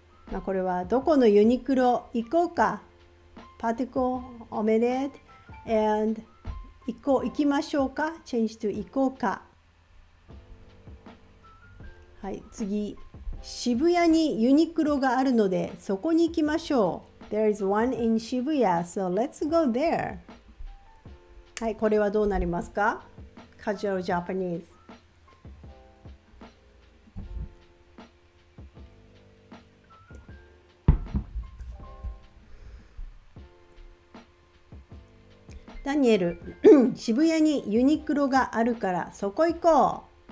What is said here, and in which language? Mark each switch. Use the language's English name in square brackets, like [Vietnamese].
[Japanese] まあ、これは、どこのユニクロ行こうか ? [English] Particle, omelette, and [Japanese] 行きましょうか ? [English] Change to [Japanese] 行こうか。はい、次。渋谷にユニクロがあるのでそこに行きましょう。 [English] There is one in Shibuya, so let's go there. [Japanese] はい、これはどうなりますか？ [English] Casual Japanese。 [Japanese] ダニエル、渋谷にユニクロがあるからそこ行こう。